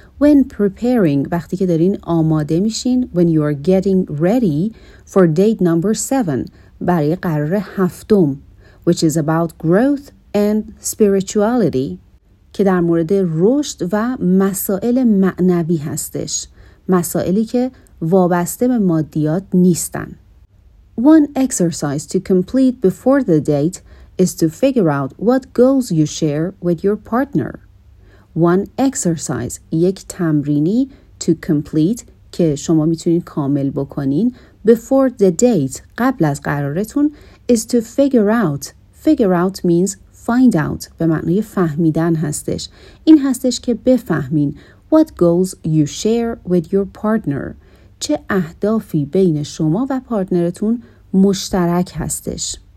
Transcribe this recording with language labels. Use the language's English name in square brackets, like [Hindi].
[English] When preparing، [Persian] وقتی که دارین آماده میشین، [English] when you are getting ready for date number 7، [Persian] برای قرار هفتم، [English] which is about growth and spirituality، [Persian] که در مورد رشد و مسائل معنوی هستش. مسائلی که وابسته به مادیات نیستن. [English] One exercise to complete before the date is to figure out what goals you share with your partner. One exercise، [Persian] یک تمرینی [English] to complete [Persian] که شما میتونید کامل بکنین [English] before the date، [Persian] قبل از قرارتون، [English] is to figure out. Figure out means find out، [Persian] به معنی فهمیدن هستش. این هستش که بفهمین [English] what goals you share with your partner، [Persian] چه اهدافی بین شما و پارتنرتون مشترک هستش.